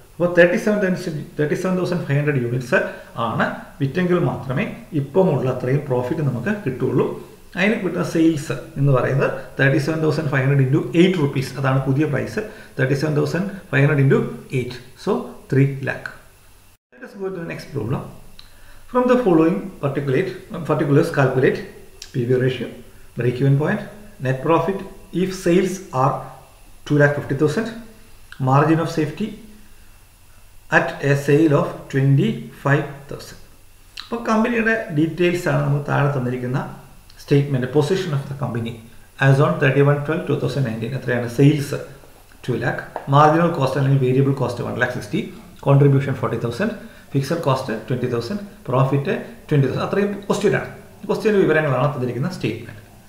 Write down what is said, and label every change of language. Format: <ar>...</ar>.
<ml>അപ്പോൾ 37,500 യൂണിറ്റ്സ് ആണ് വിറ്റെങ്കിൽ മാത്രമേ ഇപ്പം ഉള്ള അത്രയും പ്രോഫിറ്റ് നമുക്ക് കിട്ടുകയുള്ളൂ. അതിന് കിട്ടുന്ന സെയിൽസ് എന്ന് പറയുന്നത് 37,500 ഇൻറ്റു 8 റുപ്പീസ്, അതാണ് പുതിയ price, 37,500 into 8, so 3 lakh.</ml> <en>Let us go to the next problem. From the following particulars calculate PV ratio, break-even point, net profit if sales are 2,50,000, margin of safety at a sale of 25,000.</en> <ml>അപ്പോൾ കമ്പനിയുടെ details ആണ് നമ്മൾ താഴെ തന്നിരിക്കുന്ന statement.</ml> <en>Position of the company as on 31/12/2019, എത്രയാണ് sales? 2 lakh. Marginal cost അല്ലെങ്കിൽ variable cost 1,60,000. Contribution 40,000.</en> <ml>Fixed cost 20,000. Profit 20,000. അത്രയും ക്വസ്റ്റ്യനാണ്, ക്വസ്റ്റ്യൻ്റെ വിവരങ്ങളാണ് തന്നിരിക്കുന്ന സ്റ്റേറ്റ്മെൻറ്റ്.</ml>